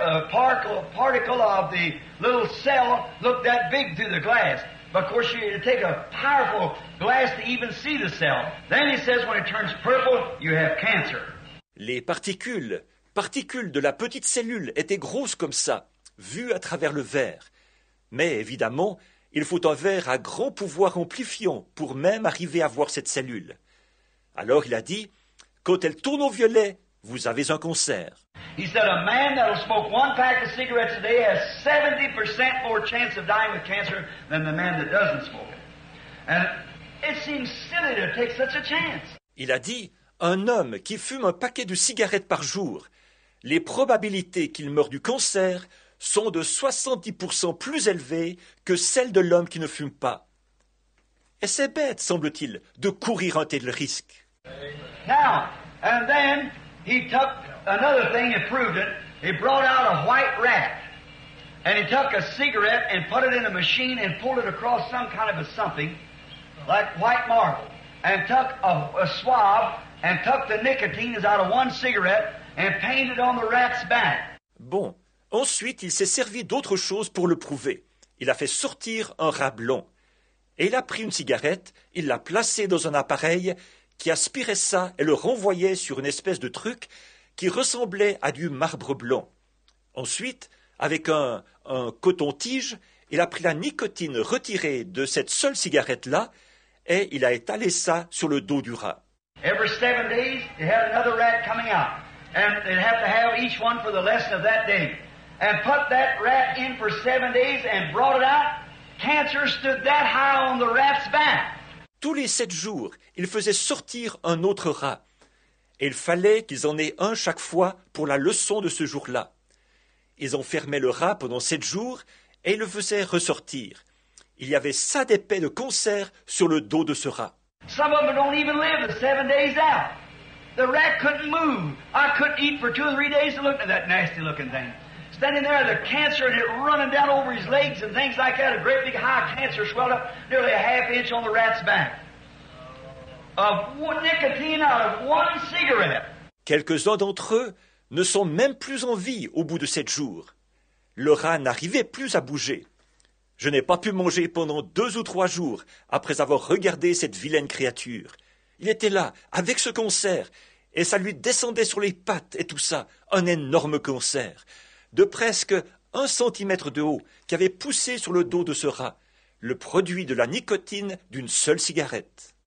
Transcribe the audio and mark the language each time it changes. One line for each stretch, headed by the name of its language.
English: Particle of the little cell looked that big through the glass. But of course, you take a powerful glass to even see the cell. Then he says, when it turns purple, you have cancer.
French: Les particules. Particules de la petite cellule étaient grosses comme ça, vues à travers le verre. Mais évidemment, il faut un verre à grand pouvoir amplifiant pour même arriver à voir cette cellule. Alors il a dit, quand elle tourne au violet, vous avez un cancer.
English: He said, a man that will smoke one pack of cigarettes a day has 70% more chance of dying with cancer than the man that doesn't smoke it. And it seems silly to take such a chance.
French: Il a dit, un homme qui fume un paquet de cigarettes par jour, les probabilités qu'il meure du cancer sont de 70% plus élevées que celles de l'homme qui ne fume pas. Et c'est bête, semble-t-il, de courir un tel risque.
English: Now, and then, he took another thing and proved it. He brought out a white rat, and he took a cigarette and put it in a machine and pulled it across some kind of a something, like white marble, and took a swab and took the nicotine out of one cigarette and painted on the rat's back.
French: Bon, ensuite il s'est servi d'autre chose pour le prouver. Il a fait sortir un rat blanc. Et il a pris une cigarette, il l'a placée dans un appareil qui aspirait ça et le renvoyait sur une espèce de truc qui ressemblait à du marbre blanc. Ensuite, avec un coton-tige, il a pris la nicotine retirée de cette seule cigarette-là et il a étalé ça sur le dos du rat.
English: Every 7 days, they had another rat coming out. And they'd have to have each one for the lesson of that day. And put that rat in for 7 days and brought it out. Cancer stood that high on the rat's back.
French: Tous les 7 jours, il faisait sortir un autre rat. Et il fallait qu'ils en aient un chaque fois pour la leçon de ce jour-là. Ils enfermaient le rat pendant 7 jours et ils le faisaient ressortir. Il y avait ça d'épais de cancer sur le dos de ce rat.
English: Some of them don't even live the 7 days out. The rat couldn't move. I couldn't eat for 2 or 3 days to look at that nasty-looking thing. Standing there, the cancer and it running down over his legs and things like that, a great big high cancer swelled up nearly a half inch on the rat's back. Of one nicotine out of one cigarette.
French: Quelques-uns d'entre eux ne sont même plus en vie au bout de 7 jours. Le rat n'arrivait plus à bouger. Je n'ai pas pu manger pendant 2 ou 3 jours après avoir regardé cette vilaine créature. Il était là, avec ce cancer, et ça lui descendait sur les pattes et tout ça, un énorme cancer, de presque 1 centimètre de haut, qui avait poussé sur le dos de ce rat, le produit de la nicotine d'une seule cigarette.